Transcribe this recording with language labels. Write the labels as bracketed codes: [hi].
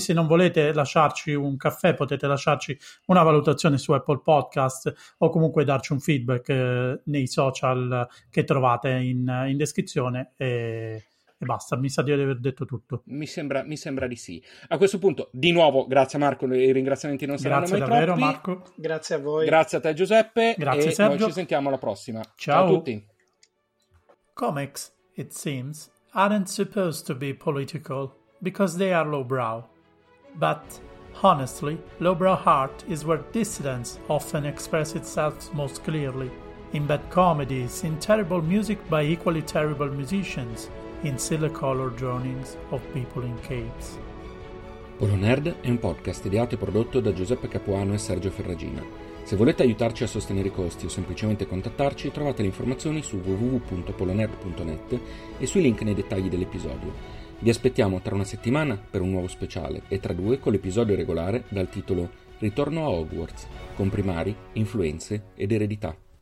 [it] Se non volete lasciarci un caffè, potete lasciarci una valutazione su Apple Podcast, o comunque darci un feedback nei social che trovate in descrizione, e basta, mi sa di aver detto tutto. Mi sembra di sì. A questo punto, di nuovo, grazie Marco, i ringraziamenti non saranno grazie mai davvero, troppi. Marco. Grazie a voi. Grazie a te Giuseppe. Grazie e Sergio. Noi ci sentiamo alla prossima. Ciao. Ciao a tutti. [en] Comics, it seems, aren't supposed to be political, because they are lowbrow. But, honestly, lowbrow art is where dissidence often express itself most clearly. In bad comedies, in terrible music by equally terrible musicians, in silver-colored drawings of people in caves. [it] Polo Nerd è un podcast ideato e prodotto da Giuseppe Capuano e Sergio Ferragina. Se volete aiutarci a sostenere i costi o semplicemente contattarci, trovate le informazioni su www.polonerd.net e sui link nei dettagli dell'episodio. Vi aspettiamo tra una settimana per un nuovo speciale, e tra due con l'episodio regolare dal titolo Ritorno a Hogwarts, con primari, influenze ed eredità.